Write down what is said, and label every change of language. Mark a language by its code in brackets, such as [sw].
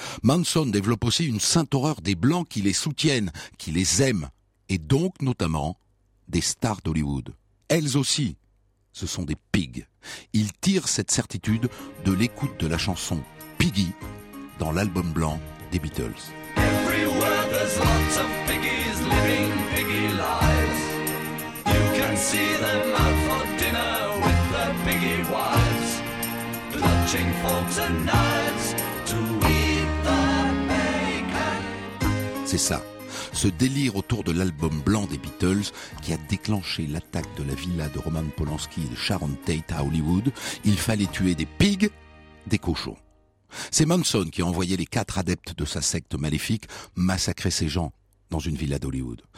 [fr] Manson développe aussi une sainte horreur des Blancs qui les soutiennent, qui les aiment, et donc notamment des stars d'Hollywood. Elles aussi, ce sont des pigs. Ils tirent cette certitude de l'écoute de la chanson « Piggy » dans l'album blanc des Beatles. [en] Everywhere there's lots of piggies living piggy lives. You can see them out for dinner with their piggy wives. Clutching forks and knives to eat the bacon. [fr] C'est ça. Ce délire autour de l'album blanc des Beatles qui a déclenché l'attaque de la villa de Roman Polanski et de Sharon Tate à Hollywood, il fallait tuer des pigs, des cochons. C'est Manson qui a envoyé les quatre adeptes de sa secte maléfique massacrer ces gens dans une villa d'Hollywood.